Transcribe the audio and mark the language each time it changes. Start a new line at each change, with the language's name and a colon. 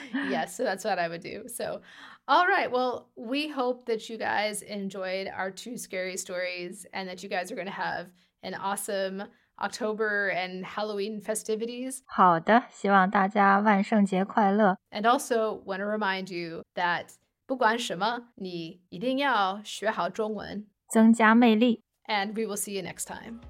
English: Yes, so that's what I would do. So, all right, well, we hope that you guys enjoyed our two scary stories and that you guys are going to have an awesome October and Halloween festivities.
Chinese: 好的，希望大家万圣节快乐。
English: And also want to remind you that
Chinese: 不管什么，你一定要学好中文，增加魅力。
English: And we will see you next time.